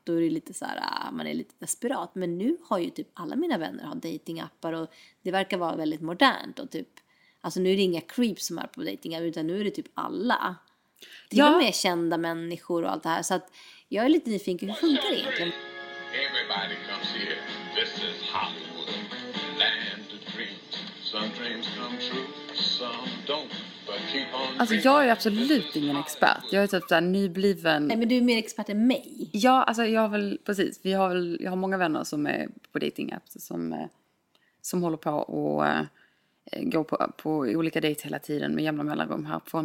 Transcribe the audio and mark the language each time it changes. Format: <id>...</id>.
<sv>Då är det lite så här. Man är lite desperat. Men nu har ju typ alla mina vänner har dating-appar. Och det verkar vara väldigt modernt. Och typ. Alltså nu är det inga creeps som är på dating-app. Utan nu är det typ alla. Till och med kända människor och allt det här. Så att jag är lite nyfiken. Hur funkar det egentligen?</sv> <en>Everybody comes here. This is Hollywood, land of dreams. Some dreams come true, some don't.</en> <sv>Alltså jag är absolut ingen expert. Jag är typ såhär nybliven. Nej, men du är mer expert än mig. Ja, alltså jag har väl, precis. Jag har många vänner som är på dating apps. Som håller på och går på olika dates hela tiden. Med jämna mellanrum här.</sv>